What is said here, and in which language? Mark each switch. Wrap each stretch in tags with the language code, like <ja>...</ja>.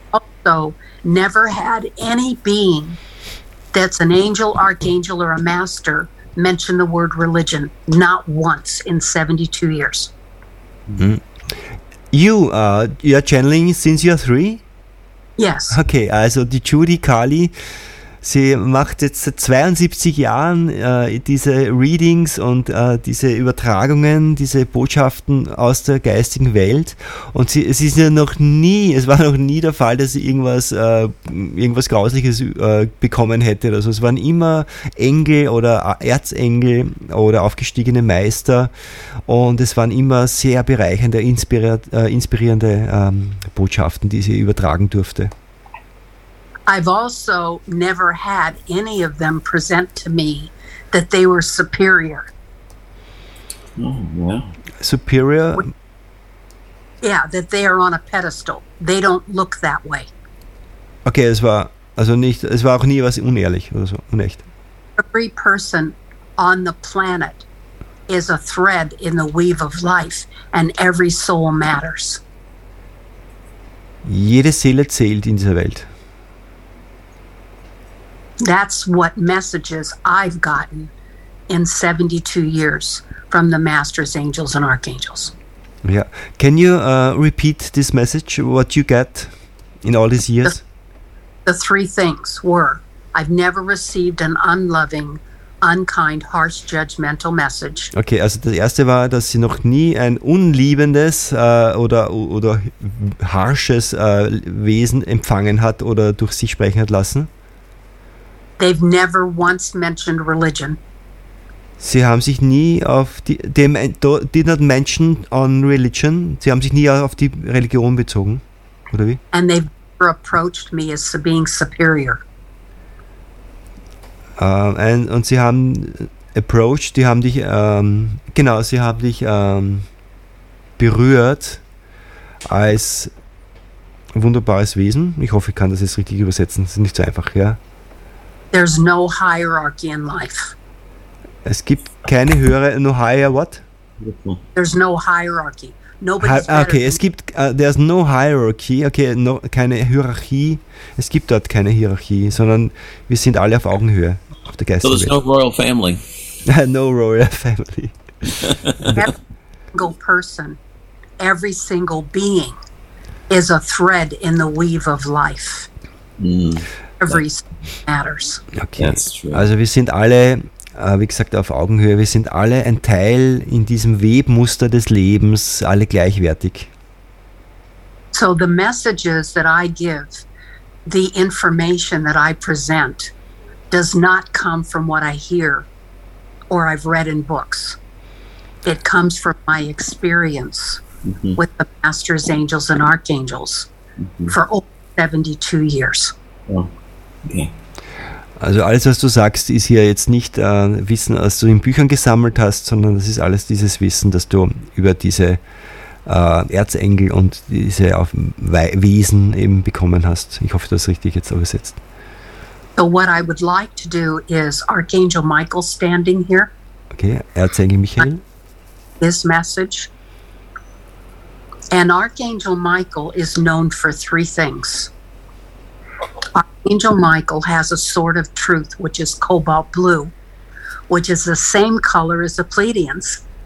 <en>Also, never had any being that's an angel, archangel, or a master mention the word religion, not once in 72 years. Mm-hmm. You are channeling since you're three? Yes.</en> <de>Okay, also die Judy Kali, sie macht jetzt seit 72 Jahren diese Readings und diese Übertragungen, diese Botschaften aus der geistigen Welt. Und es war noch nie der Fall, dass sie irgendwas Grausliches bekommen hätte oder so. Es waren immer Engel oder Erzengel oder aufgestiegene Meister. Und es waren immer sehr bereichernde, inspirierende Botschaften, die sie übertragen durfte.</de> <en>I've also never had any of them present to me that they were superior. Oh, wow. Superior? Yeah, that they are on a pedestal. They don't look that way.</en> <de>Okay, es war auch nie was unehrlich oder so, unecht.</de> <en>Every person on the planet is a thread in the weave of life, and every soul matters.</en> <de>Jede Seele zählt in dieser Welt.</de> <en>That's what messages I've gotten in 72 years from the Masters, Angels, and Archangels. Yeah. Can you repeat this message, what you get in all these years? The three things were, I've never received an unloving, unkind, harsh, judgmental message.</en> <de>Okay, also das erste war, dass sie noch nie ein unliebendes oder harsches Wesen empfangen hat oder durch sich sprechen hat lassen.</de> <en>They've never once mentioned religion.</en> <de>Sie haben sich nie auf die</de> <en>did not mention on religion.</en> <de>Sie haben sich nie auf die Religion bezogen, oder wie?</de> <en>And they approached me as being superior.</en> <de>Und sie haben approached, die haben dich genau, sie haben dich berührt als wunderbares Wesen. Ich hoffe, ich kann das jetzt richtig übersetzen. Das ist nicht so einfach, ja.</de> <en>There's no hierarchy in life.</en> <de>Es gibt keine höhere,</de> <en>no higher what? There's no hierarchy. Nobody's better. Okay,</en> <de>es gibt,</de> <en>there's no hierarchy, okay, no,</en> <de>keine Hierarchie. Es gibt dort keine Hierarchie, sondern wir sind alle auf Augenhöhe, auf der Geistigen.</de> <en>So there's no royal family. No royal family. Every single person, every single being is a thread in the weave of life. Mm. Every matters. Okay, that's true.</en> <de>Also wir sind alle, wie gesagt, auf Augenhöhe, wir sind alle ein Teil in diesem Webmuster des Lebens, alle gleichwertig.</de> <en>So the messages that I give, the information that I present, does not come from what I hear or I've read in books. It comes from my experience mm-hmm. with the Masters, Angels, and Archangels mm-hmm. for over 72 years. Oh. Okay.</en> <de>Also alles, was du sagst, ist hier jetzt nicht Wissen, was du in Büchern gesammelt hast, sondern das ist alles dieses Wissen, das du über diese Erzengel und diese Wesen eben bekommen hast. Ich hoffe, das ist richtig jetzt übersetzt.</de> <en>So what I would like to do is Archangel Michael standing here.</en> <de>Okay, Erzengel Michael.</de> <en>This message. And Archangel Michael is known for three things. Angel Michael has a sword of truth, which is cobalt blue, which is the same color as the Pleiadians.</en>